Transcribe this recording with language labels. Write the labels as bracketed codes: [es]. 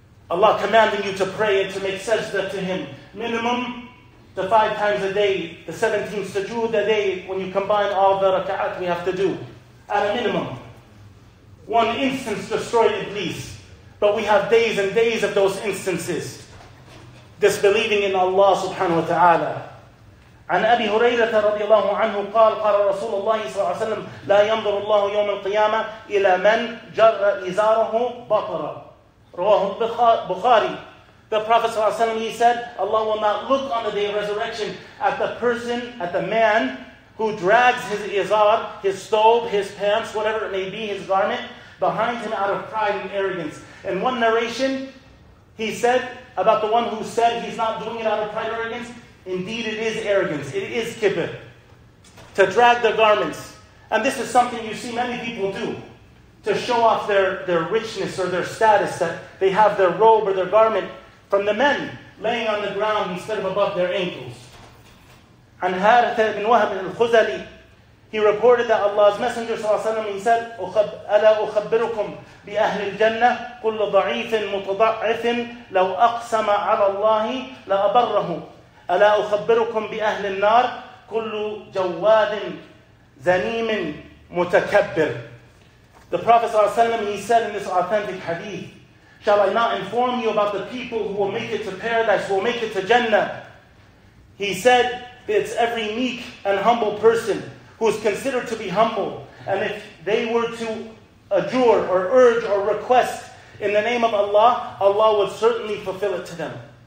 [en] Allah commanding you to pray and to make sajda to him. Minimum, the 5 times a day, the 17 sujood a day, when you combine all the raka'at we have to do. At a minimum, one instance destroyed Iblis. But we have days and days of those instances. Disbelieving in Allah subhanahu wa ta'ala. [ar] عن أبي هريرة رضي الله عنه قال قال رسول الله صلى الله عليه وسلم لا ينظر الله يوم القيامة إلى من جر إزاره بطرا رواه البخاري [en] The Prophet ﷺ, he said, Allah will not look on the day of resurrection at the person, at the man who drags his izar, his thobe, his pants, whatever it may be, his garment, behind him out of pride and arrogance. In one narration, he said about the one who said he's not doing it out of pride and arrogance, indeed it is arrogance, it is kibir, to drag the garments. And this is something you see many people do, to show off their richness or their status, that they have their robe or their garment from the men laying on the ground instead of above their ankles. And Haritha ibn Wahab al-Khuzali, he reported that Allah's Messenger ﷺ, he said, [ar] أَلَا أُخَبِّرُكُمْ بِأَهْلِ الْجَنَّةِ كُلُّ ضَعِيفٍ مُتَضَعِّفٍ لَوْ أَقْسَمَ عَلَى اللَّهِ لَأَبَرَّهُ أَلَا أُخَبِّرُكُمْ بِأَهْلِ النَّارِ كُلُّ جَوَّادٍ زَنِيمٍ مُتَكَبِّرٍ. [en] The Prophet ﷺ, he said in this authentic hadith, shall I not inform you about the people who will make it to paradise, who will make it to Jannah? He said, it's every meek and humble person who is considered to be humble. And if they were to adjure or urge or request in the name of Allah, Allah would certainly fulfill it to them.